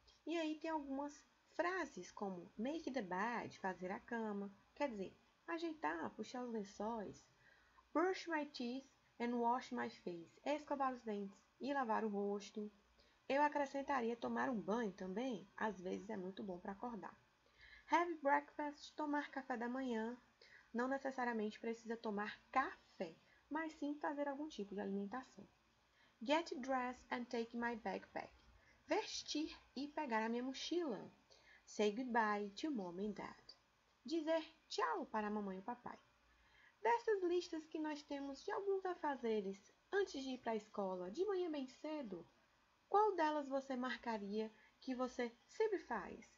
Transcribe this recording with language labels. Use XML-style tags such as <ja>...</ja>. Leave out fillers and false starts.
<pt>E aí tem algumas frases como</pt> <en>make the bed,</en> <pt>fazer a cama, quer dizer, ajeitar, puxar os lençóis,</pt> <en>brush my teeth and wash my face,</en> <pt>escovar os dentes e lavar o rosto. Eu acrescentaria tomar um banho também, às vezes é muito bom para acordar.</pt> <en>Have breakfast,</en> <pt>tomar café da manhã. Não necessariamente precisa tomar café, mas sim fazer algum tipo de alimentação.</pt> <en>Get dressed and take my backpack.</en> <pt>Vestir e pegar a minha mochila.</pt> <en>Say goodbye to mom and dad.</en> <pt>Dizer tchau para mamãe e papai. Dessas listas que nós temos de alguns afazeres antes de ir para a escola, de manhã bem cedo, qual delas você marcaria que você sempre faz?</pt>